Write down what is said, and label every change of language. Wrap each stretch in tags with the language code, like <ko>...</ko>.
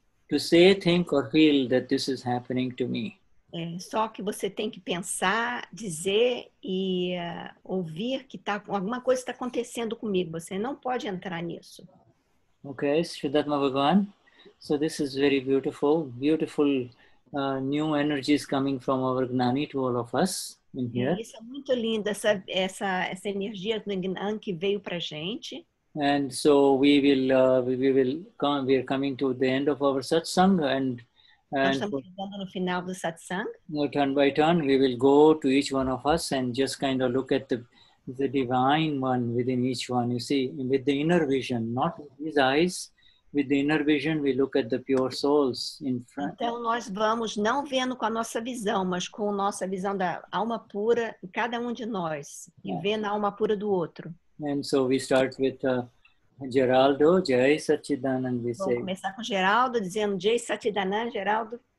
<en>To say, think, or feel that this is happening to me.</en> <pt>Só que você tem que pensar, dizer e ouvir que tá, alguma coisa está acontecendo comigo. Você não pode entrar nisso.</pt> <en>Okay, Siddhartha Bhagwan. So this is very beautiful. Beautiful new energies coming from our Gnani to all of us.</en> <pt>Isso é muito lindo, essa energia do Gnan que veio para a gente.</pt> <en>And so we are coming to the end of our satsang and</en> <pt>nós estamos chegando no final do satsang.</pt> <en>Turn by turn, we will go to each one of us and just kind of look at the divine one within each one. You see, with the inner vision, not with these eyes. With the inner vision, we look at the pure souls in front.</en> <pt>Então nós vamos não vendo com a nossa visão, mas com a nossa visão da alma pura em cada um de nós, e vendo a alma pura do outro.</pt> <en>And so we start with Geraldo, Jay Satchidananda.</en> <pt>Vamos começar com Geraldo, dizendo Jay Satchidananda, Geraldo.</pt>